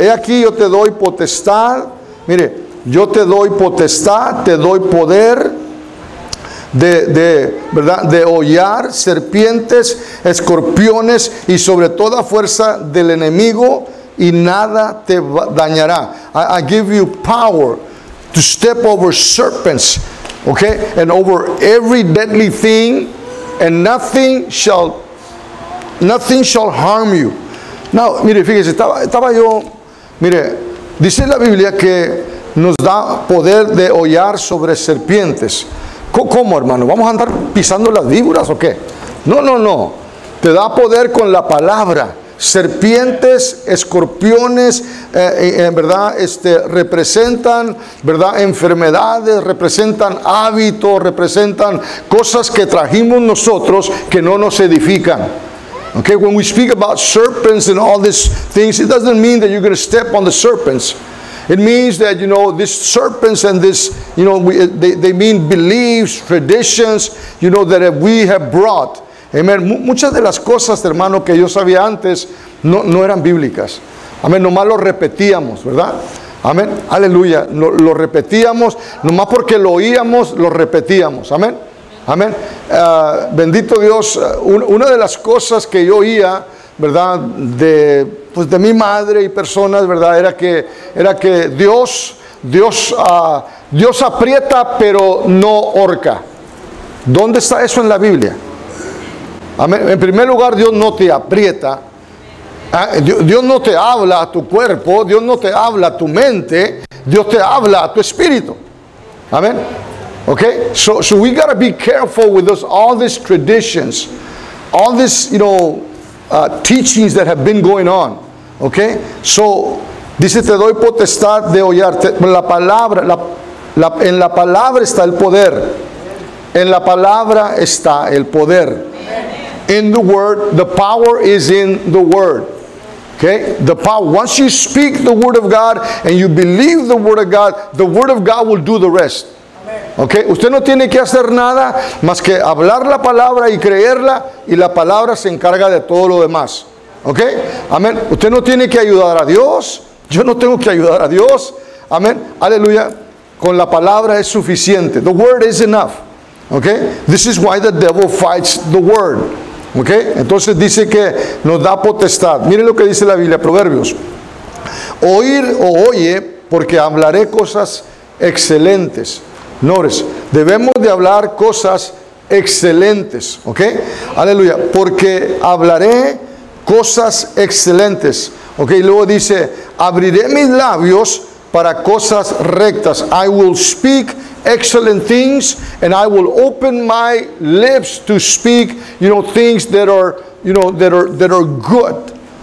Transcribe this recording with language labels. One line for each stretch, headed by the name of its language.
Spanish: He aquí, yo te doy potestad. Mire, yo te doy potestad, te doy poder de ¿verdad? De hollar serpientes, escorpiones y sobre toda fuerza del enemigo y nada te dañará.
English: I give you power to step over serpents, okay, and over every deadly thing, and nothing shall harm you.
Spanish: Now, mire, fíjese, estaba yo, mire, dice la Biblia que nos da poder de hollar sobre serpientes. ¿Cómo, hermano? ¿Vamos a andar pisando las víboras o qué? No. Te da poder con la palabra. Serpientes, escorpiones, en verdad, representan, ¿verdad? Enfermedades, representan hábitos, representan cosas que trajimos nosotros que no nos edifican.
English: Okay, when we speak about serpents and all these things, it doesn't mean that you're going to step on the serpents. It means that, you know, these serpents and this, you know, they mean beliefs, traditions, you know, that we have brought. Amen.
Spanish: Muchas de las cosas, hermano, que yo sabía antes, no eran bíblicas. Amén. Nomás lo repetíamos, ¿verdad? Amén. Aleluya. Lo repetíamos. Nomás porque lo oíamos, lo repetíamos. Amén. Amén. Bendito Dios. Una de las cosas que yo oía, ¿verdad? De mi madre y personas, ¿verdad? Era que Dios aprieta, pero no ahorca. ¿Dónde está eso en la Biblia? Amén. En primer lugar, Dios no te aprieta. Dios no te habla a tu cuerpo. Dios no te habla a tu mente. Dios te habla a tu espíritu. Amén.
English: Okay, so we got to be careful with those, all these traditions, all this, you know, teachings that have been going on.
Spanish: Okay, so dice, te doy potestad de hollar, en la palabra está el poder. En la palabra está el poder.
English: In the word, the power is in the word. Okay, the power. Once you speak the word of God and you believe the word of God will do the rest.
Spanish: Okay, usted no tiene que hacer nada más que hablar la palabra y creerla, y la palabra se encarga de todo lo demás. Okay, amén. Usted no tiene que ayudar a Dios. Yo no tengo que ayudar a Dios. Amén. Aleluya. Con la palabra es suficiente.
English: The word is enough. Okay, this is why the devil fights the word.
Spanish: Okay, entonces dice que nos da potestad. Miren lo que dice la Biblia, Proverbios. Oír o oye, porque hablaré cosas excelentes. Nores, debemos de hablar cosas excelentes. Okay, aleluya, porque hablaré cosas excelentes. Okay, luego dice, abriré mis labios para cosas rectas.
English: I will speak excellent things, and I will open my lips to speak, you know, things that are, you know, that are good.